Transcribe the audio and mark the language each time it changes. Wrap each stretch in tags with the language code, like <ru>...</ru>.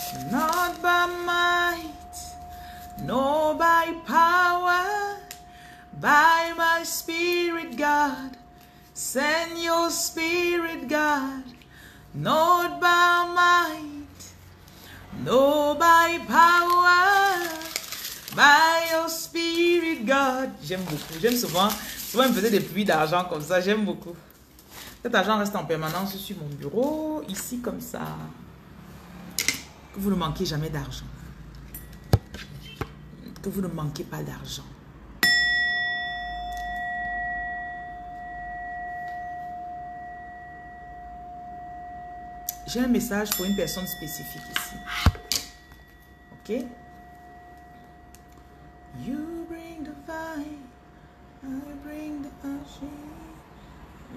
<en>Not by might, nor by power, by my spirit, God. Send your spirit, God. Not by might, nor by power, by your spirit, God.</en> <fr>J'aime beaucoup. J'aime souvent. Souvent, il me faisait des pluies d'argent comme ça. J'aime beaucoup. Cet argent reste en permanence sur mon bureau, ici, comme ça. Que vous ne manquiez jamais d'argent. Que vous ne manquiez pas d'argent. J'ai un message pour une personne spécifique ici. Ok?</fr> <en>You bring the fire, I bring the passion.</en>